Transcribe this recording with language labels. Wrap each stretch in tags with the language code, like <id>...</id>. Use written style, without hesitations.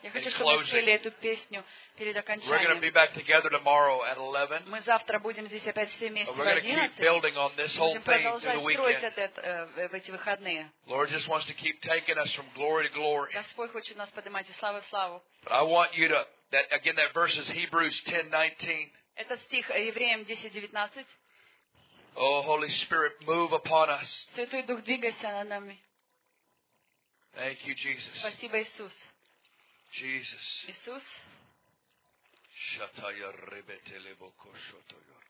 <ru>Я хочу, чтобы вы спели эту песню перед окончанием.</ru> <en>We're going to be back together tomorrow at 11.</en> <ru>Мы завтра будем здесь опять все вместе в 11.</ru> <en>We're going to keep building on this whole thing through the weekend.</en> <ru>Мы будем продолжать строить это в эти выходные.</ru> <en>Lord just wants to keep taking us from glory to glory.</en> <ru>Господь хочет нас поднимать из славы в славу.</ru> <en>But I want you to that again that verse is Hebrews 10:19.</en> <ru>Это стих Евреям 10:19.</ru> <en>Oh, Holy Spirit, move upon us.</en> <ru>Святой Дух, двигайся над нами.</ru> <en>Thank you, Jesus.</en> <ru>Спасибо, Иисус.</ru> <en>Jesus.</en> <ru>Иисус. Шатая ребетелебоко шотоя.</ru>